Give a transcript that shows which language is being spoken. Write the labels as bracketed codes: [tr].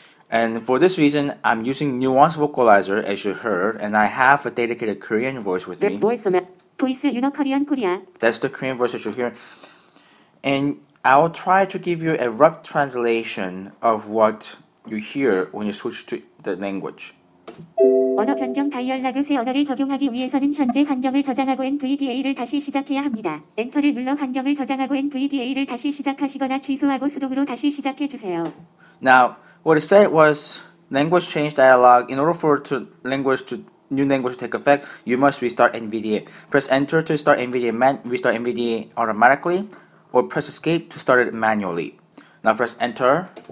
[en] And for this reason, I'm using Nuance Vocalizer, as you heard, and I have a dedicated Korean voice with me. Voice, you know, Korean, Korean. That's the Korean voice that you hear. And I'll try to give you a rough translation of what you hear when you switch to the language. [ko] 언어 변경 다이얼 라그 새 언어를 적용하기 위해서는 현재 환경을 저장하고 NVDA를 다시 시작해야 합니다. 엔터를 눌러 환경을 저장하고 NVDA를 다시 시작하시거나 취소하고 수동으로 다시 시작해 주세요. [en] Now, what it said was language change dialog. In order for new language to take effect, you must restart NVDA. Press enter to start NVDA restart NVDA automatically, or press escape to start it manually. Now press enter.